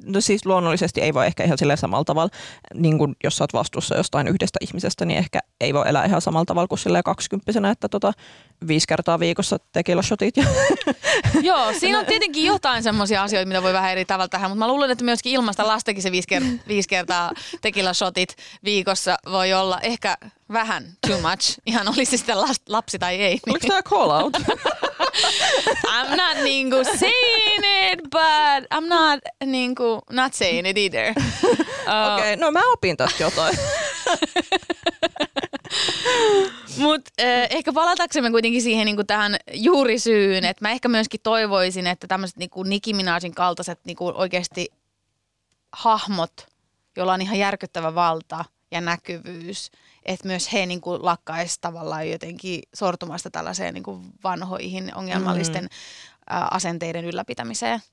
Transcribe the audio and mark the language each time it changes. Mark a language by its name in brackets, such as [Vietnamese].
[Finnish] No, siis luonnollisesti ei voi ehkä ihan silleen samalla tavalla, niin kuin jos sä oot vastuussa jostain yhdestä ihmisestä, niin ehkä ei voi elää ihan samalla tavalla kuin silleen kaksikymppisenä, että 5 kertaa viikossa tekilashotit. Joo, siinä on tietenkin jotain semmoisia asioita, mitä voi vähän eri tavalla tähän, mutta mä luulen, että myöskin ilmaista lastenkin se 5 kertaa tekilashotit viikossa voi olla ehkä vähän [English] too much, [Finnish] ihan olisi sitten lapsi tai ei. Oliko tämä call out? [English] I'm not [Finnish] niinku [English] saying it, but I'm not niinku not saying it either. [Finnish] Okei, no mä opin tästä jotain. Mut ehkä palataksemme kuitenkin siihen niinku tähän juurisyyn, että mä ehkä myöskin toivoisin, että tämmöiset niinku Nicki Minajin kaltaiset niinku oikeasti hahmot, joilla on ihan järkyttävä valta ja näkyvyys, että myös he niinku lakkaisi tavallaan jotenkin sortumasta tällaiseen niinku vanhoihin ongelmallisten asenteiden ylläpitämiseen.